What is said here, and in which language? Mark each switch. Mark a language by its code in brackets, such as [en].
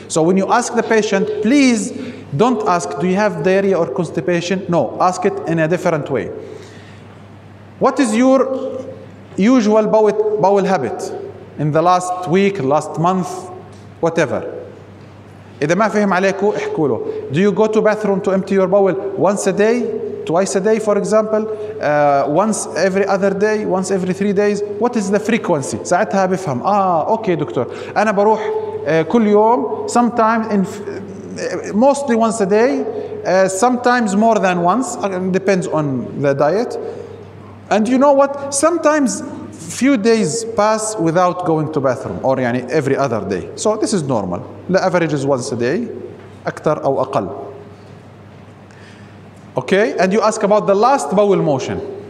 [en] So when you ask the patient, please don't ask, do you have diarrhea or constipation? No, ask it in a different way. What is your usual bowel habit in the last week, last month, whatever? [ar] إذا ما فهم عليكو احكوا له. [en] Do you go to bathroom to empty your bowel once a day, twice a day, for example, once every other day, once every 3 days? What is the frequency? [ar] ساعتها بفهم. Okay, دكتور. أنا بروح كل يوم. [en] Sometimes in mostly once a day. Sometimes more than once. Depends on the diet. And you know what? Sometimes few days pass without going to bathroom, or يعني every other day. So this is normal. The average is once a day, [ar] أكثر أو أقل. [en] Okay, and you ask about the last bowel motion.